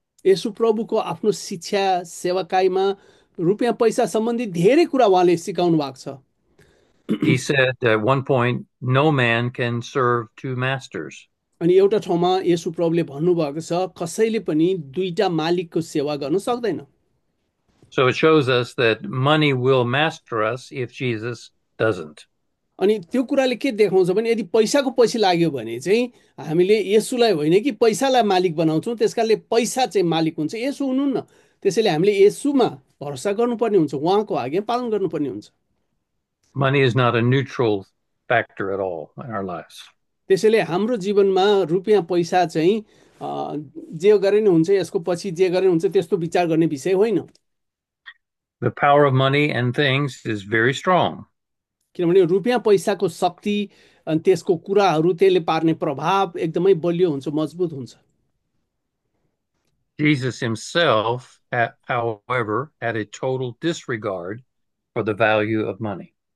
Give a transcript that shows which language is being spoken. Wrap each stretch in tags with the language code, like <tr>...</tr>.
<ne>येशु प्रभुको आफ्नो शिक्षा सेवकाईमा रुपियाँ पैसा सम्बन्धी धेरै कुरा उहाँले सिकाउनु भएको छ।</ne> <en>He said at one point, no man can serve two masters.</en> <ne>अनि एउटा ठाउँमा येशु प्रभुले भन्नुभएको छ कसैले पनि दुईटा मालिकको सेवा गर्न सक्दैन।</ne> <en>So it shows us that money will master us if Jesus doesn't.</en> <ne>अनि त्यो कुराले के देखाउँछ भने यदि पैसाको पछि लाग्यो भने चाहिँ हामीले येसुलाई होइन कि पैसालाई मालिक बनाउँछौँ, त्यसकारणले पैसा चाहिँ मालिक हुन्छ, येसु हुनुहुन्न। त्यसैले हामीले येसुमा भरोसा गर्नुपर्ने हुन्छ, उहाँको आज्ञा पालन गर्नुपर्ने हुन्छ।</ne> <en>Money is not a neutral factor at all in our lives.</en> <ne>त्यसैले हाम्रो जीवनमा रुपियाँ पैसा चाहिँ जे गरे नै हुन्छ, यसको पछि जे गरे हुन्छ त्यस्तो विचार गर्ने विषय होइन।</ne> <en>The power of money and things is very strong.</en> <ne>किनभने रुपियाँ पैसाको शक्ति अनि त्यसको कुराहरू त्यसले पार्ने प्रभाव एकदमै बलियो हुन्छ, मजबुत हुन्छ।</ne> <en>Jesus himself, however, had a total disregard for the value of money.</en>